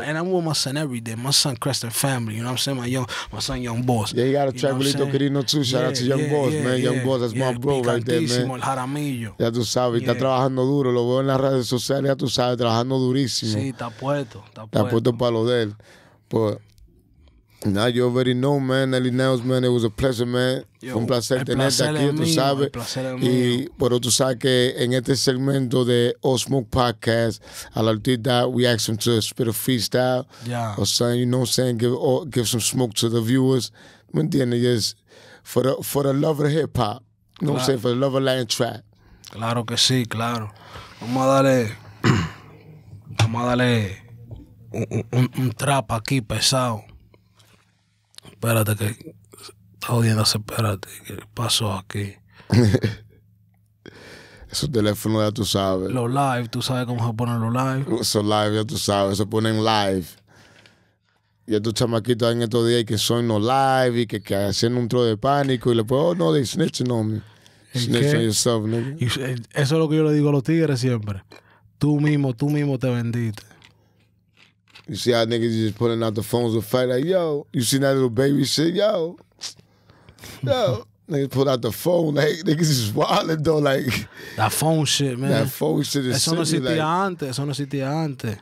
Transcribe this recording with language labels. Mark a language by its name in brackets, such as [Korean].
[English] And I'm with my son every day, my son Crested Family, you know what I'm saying, my son Young Boss. Yeah, you got a track with Lito Kirino too, shout out to Young Boss, man. Young Boss, that's my bro right there, man. [Spanish] El Jaramillo. Ya tú sabes, está trabajando duro, lo veo en las redes sociales, ya tú sabes, trabajando durísimo. Sí, está puesto, está puesto. Está puesto para lo de él. Pues, [English] now you already know, man, Nelly Nelz, man, it was a pleasure, man. [Spanish] Fue un placer tenerte aquí, tú sabes. El placer es mío. Y, pero tú sabes que en este segmento de All Smoke Podcast, al artista, [English] we asked him to spit a freestyle. Yeah. Or something, you know what I'm saying, give some smoke to the viewers. [Spanish] ¿Me entiendes? [English] Yes. For the love of hip hop, you know what I'm saying, for the love of Latin trap. [Spanish] Claro que sí, claro. Vamos a darle, vamos a darle un trap aquí pesado. Espérate que está jodiendo, espérate, ¿qué pasó aquí? Esos teléfonos ya tú sabes. Los live, tú sabes cómo se ponen los live. Esos live ya tú sabes, se ponen live. Y estos chamaquitos en estos días que son no live y que hacen un tro de pánico y le pues, [English] oh no, they snitching on me. Snitching on yourself, nigga. [Spanish] Y eso es lo que yo le digo a los tigres siempre. Tú mismo te vendiste. [English] You see how niggas just pulling out the phones to fight, like, yo, you seen that little baby shit, yo. Yo. Niggas pull out the phone, like, niggas is wildin', though, like. That phone shit, man. That phone shit is [Spanish] eso [English] silly, [Spanish] no existía [English] like, [Spanish] antes, eso no existía antes.